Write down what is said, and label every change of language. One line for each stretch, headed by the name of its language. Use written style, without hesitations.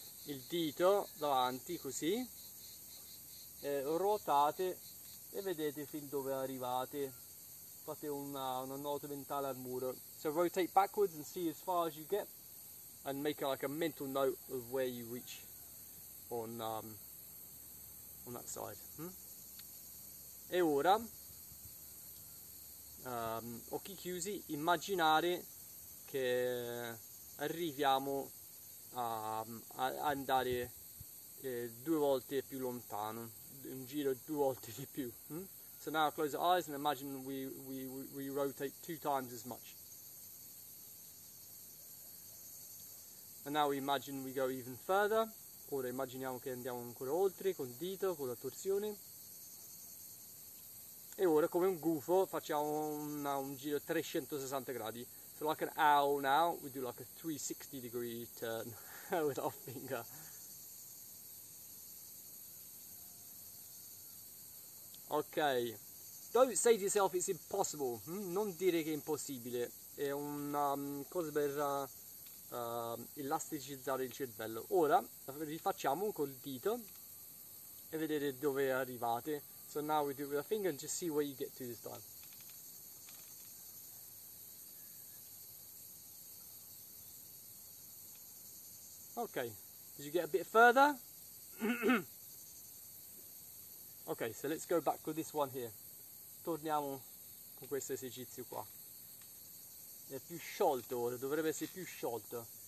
Italian: Il dito davanti, così, ruotate e vedete fin dove arrivate. Fate una nota mentale al muro.
English: So rotate backwards and see as far as you get and make like a mental note of where you reach on that side.
Italian: E ora, occhi chiusi, immaginare che arriviamo a andare due volte più lontano, un giro due volte di più.
English: So now close our eyes and imagine we rotate two times as much. And now we imagine we go even further.
Italian: Ora immaginiamo che andiamo ancora oltre con il dito, con la torsione. E ora, come un gufo, facciamo un giro 360 gradi.
English: So like an owl now, we do like a 360 degree turn with our finger. Ok, don't say to yourself it's impossible.
Italian: Non dire che è impossibile. È una cosa per elasticizzare il cervello. Ora rifacciamo col dito e vedere dove arrivate.
English: So now we do with a finger and just see where you get to this time. Okay, did you get a bit further? Ok, so let's go back with this one here.
Italian: Torniamo con questo esercizio qua. È più sciolto ora, dovrebbe essere più sciolto.